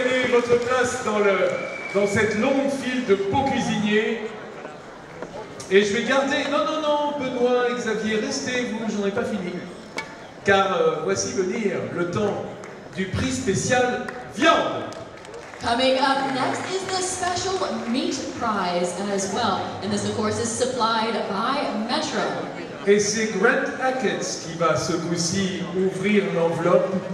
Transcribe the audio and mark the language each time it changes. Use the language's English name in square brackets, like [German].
[French] Votre place dans cette longue file de beaux cuisiniers. Et je vais garder... Non, Benoît, Xavier, restez, vous, j'en ai pas fini. Car voici venir le temps du prix spécial viande. [English] Coming up next is the special meat prize as well. And this, of course, is supplied by Metro. [French] Et c'est Grant Hackett qui va ce coup-ci ouvrir l'enveloppe.